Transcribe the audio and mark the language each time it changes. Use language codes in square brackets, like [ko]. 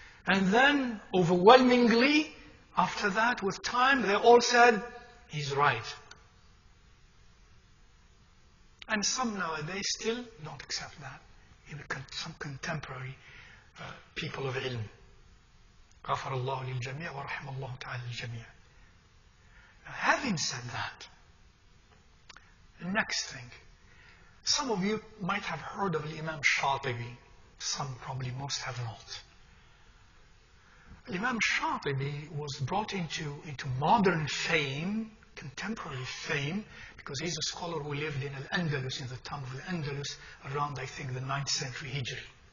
[en] And then, overwhelmingly, after that, with time, they all said, he's right. And some nowadays still don't accept that, even some contemporary people of ilm. [ar] غفر الله للجميع ورحم الله تعالى للجميع. [en] Having said that, the next thing, some of you might have heard of Imam Shatibi, some probably most have not. Imam Shatibi was brought into modern fame, contemporary fame, because he's a scholar who lived in Al-Andalus, in the town of Al-Andalus, around, I think, the 9th century Hijri.